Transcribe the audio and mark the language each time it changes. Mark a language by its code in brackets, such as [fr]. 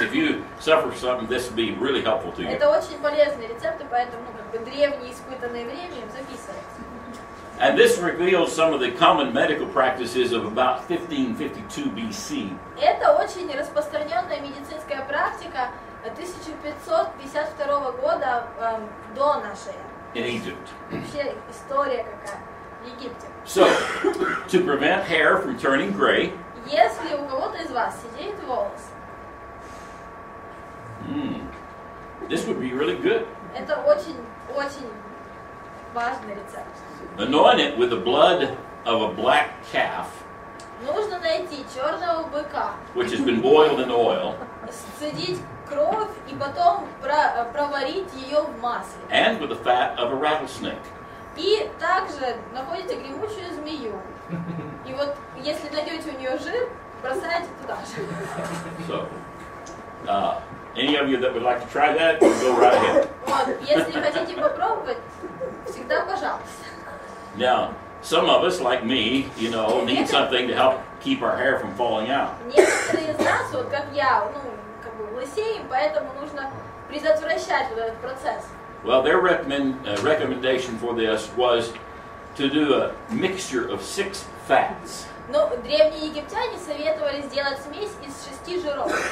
[en] If you suffer something, this would be really helpful to you. [ru] Это очень полезные рецепты, поэтому как бы древние испытанные временем записывайте. [en] And this reveals some of the common medical practices of about 1552 BC. [ru] Это очень распространенная медицинская практика 1552 года до нашей. [en] In Egypt. [ru] Вообще история какая в Египте. [en] So, to prevent hair from turning gray. [ru] Если у кого-то из вас сидеет волос. [en] This would be really good. [ru] Это очень-очень важный рецепт. [en] Anoint it with the blood of a black calf. [ru] Нужно найти черного быка. [en] Which has been boiled in oil. [ru] сцедить кровь и потом проварить ее в масле. [en] And with the fat of a rattlesnake. [ru] И также находите гремучую змею. И вот если найдете у нее жир, бросайте туда же. [en] So, any of you that would like to try that, go right ahead. [ru] Вот, если хотите попробовать, всегда пожалуйста. [en] Now, some of us, like me, you know, need something to help keep our hair from falling out. [ru] Некоторые из нас, вот как я, ну, как бы лысеем, поэтому нужно предотвращать вот этот процесс. [en] Well, their recommendation for this was to do a mixture of 6 fats. [ru] Но древние египтяне советовали сделать смесь из 6 жиров.